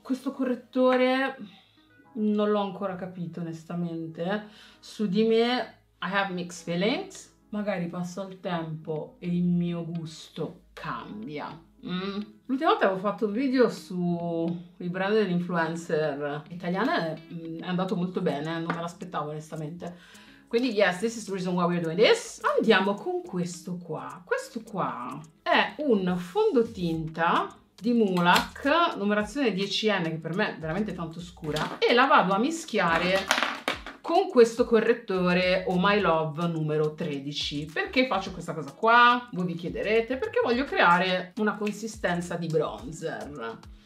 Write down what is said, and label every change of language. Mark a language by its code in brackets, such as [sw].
[it] Questo correttore non l'ho ancora capito onestamente, su di me [en] I have mixed feelings, [it] magari passo il tempo e il mio gusto cambia. L'ultima volta avevo fatto un video su i brand dell'influencer italiana, è andato molto bene, non me l'aspettavo onestamente. [en] Quindi yes, this is the reason why we're doing this. [it] Andiamo con questo qua. Questo qua è un fondotinta di Mulac, numerazione 10N, che per me è veramente tanto scura. E la vado a mischiare con questo correttore Oh My Love numero 13. Perché faccio questa cosa qua? Voi vi chiederete. Perché voglio creare una consistenza di bronzer.